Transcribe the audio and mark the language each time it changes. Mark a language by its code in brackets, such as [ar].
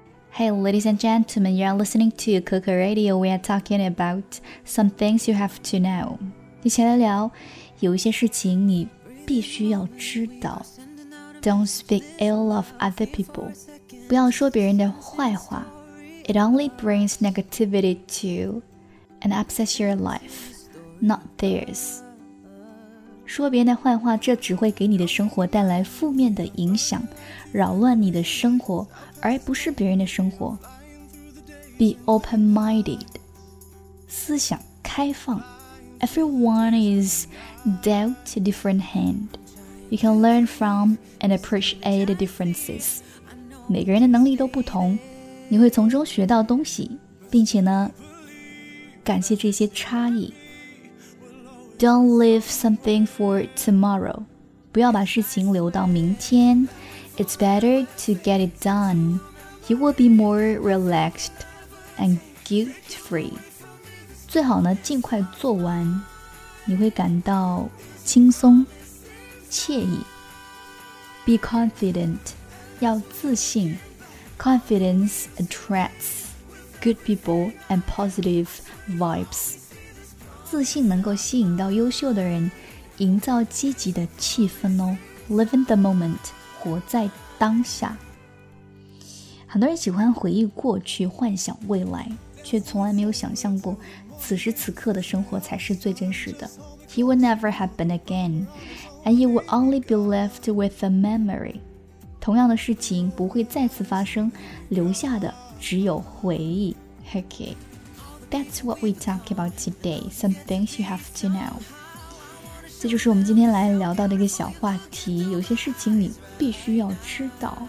[en] Hey, ladies and gentlemen, you are listening to Coco Radio. We are talking about some things you have to know. [zh] 一起来聊，有一些事情你必须要知道。 [en] Don't speak ill of other people. [zh] 不要说别人的坏话。 [en] It only brings negativity to and upsets your life, not theirs. [zh] 说别人的坏话，这只会给你的生活带来负面的影响，扰乱你的生活，而不是别人的生活。 [en] Be open-minded. [zh] 思想开放。 [en] Everyone is dealt a different hand. You can learn from and appreciate the differences. [zh] 每个人的能力都不同，你会从中学到东西，并且呢，感谢这些差异。 [en] Don't leave something for tomorrow. [zh] 不要把事情留到明天。 [en] It's better to get it done. You will be more relaxed and guilt-free. [zh] 最好呢，尽快做完，你会感到轻松、惬意。 [en] Be confident, [zh] 要自信。 [en] Confidence attracts good people and positive vibes. [zh] 自信能够吸引到优秀的人，营造积极的气氛哦。 [en] Live in the moment, [zh] 活在当下。很多人喜欢回忆过去，幻想未来，却从来没有想象过此时此刻的生活才是最真实的。 [en] He will never happen again, and you will only be left with a memory. [zh] 同样的事情不会再次发生，留下的只有回忆。 [en] Okay, that's what we talk about today. Some things you have to know. [zh] 这就是我们今天来聊到的一个小话题，有些事情你必须要知道。